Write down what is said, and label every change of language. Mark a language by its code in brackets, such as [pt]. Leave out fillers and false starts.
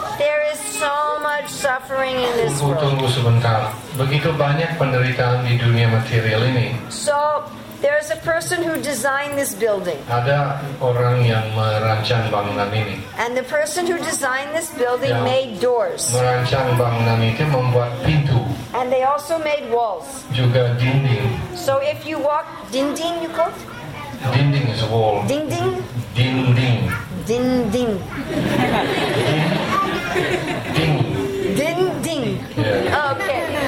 [en] There is so much suffering in this world. [id] Tunggu sebentar. Begitu banyak penderitaan di dunia material ini. [en] So, there is a person who designed this building. [id] Ada orang yang merancang bangunan ini. [en] And the person who designed this building [id] yang [en] made doors. [id] Merancang bangunan itu membuat pintu. [en] And they also made walls. [id] Juga dinding. [en] So if you walk, dinding you call it? Dinding is a wall. [id] Dinding? Dinding. Dinding. Ding. Ding. Ding. [en] Yeah. Okay.